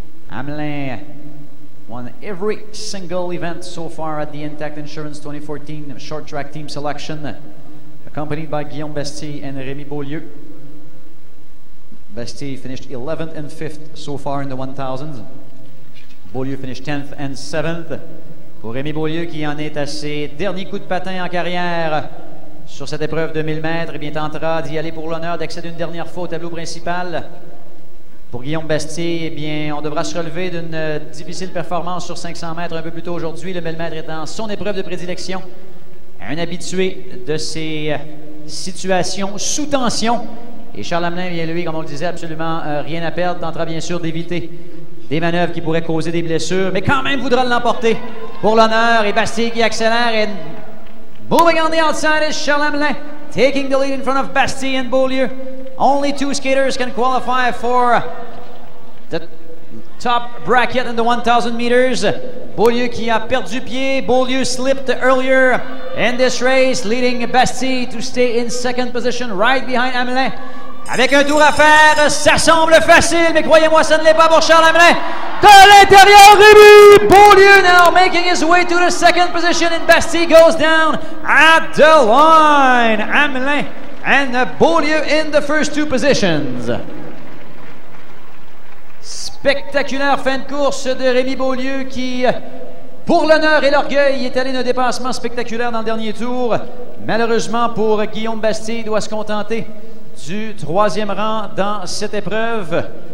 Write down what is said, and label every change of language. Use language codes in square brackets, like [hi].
[en] Hamelin won every single event so far at the Intact Insurance 2014 short track team selection, accompanied by Guillaume Bastille and Rémi Beaulieu. Bastille finished 11th and 5th so far in the 1,000s. Beaulieu finished 10th and 7th. [fr] Pour Rémi Beaulieu, qui en est à ses derniers coups de patin en carrière, sur cette épreuve de 1000 mètres, eh bien, tentera d'y aller pour l'honneur d'accéder une dernière fois au tableau principal. Pour Guillaume Bastille, eh bien, on devra se relever d'une difficile performance sur 500 mètres un peu plus tôt aujourd'hui. Le 1000 mètres étant son épreuve de prédilection. Un habitué de ces situations sous tension. Et Charles Hamelin, eh bien, lui, comme on le disait, absolument rien à perdre. Tentera bien sûr d'éviter des manœuvres qui pourraient causer des blessures. Mais quand même, voudra l'emporter pour l'honneur. Et Bastille qui accélère et... [en] Moving on the outside is Charles Hamelin, taking the lead in front of Bastille and Beaulieu. Only two skaters can qualify for the top bracket in the 1,000 meters. [fr] Beaulieu qui a perdu pied, [en] Beaulieu slipped earlier in this race, leading Bastille to stay in second position right behind Hamelin. [fr] Avec un tour à faire, ça semble facile, mais croyez-moi, ça ne l'est pas pour Charles Hamelin. De l'intérieur, [en] Rémi Beaulieu now making his way to the second position and Bastille goes down at the line. Hamelin and Beaulieu in the first two positions. [fr] Spectaculaire fin de course de Rémi Beaulieu qui, pour l'honneur et l'orgueil, est allé d'un dépassement spectaculaire dans le dernier tour. Malheureusement pour Guillaume Bastille, doit se contenter du troisième rang dans cette épreuve.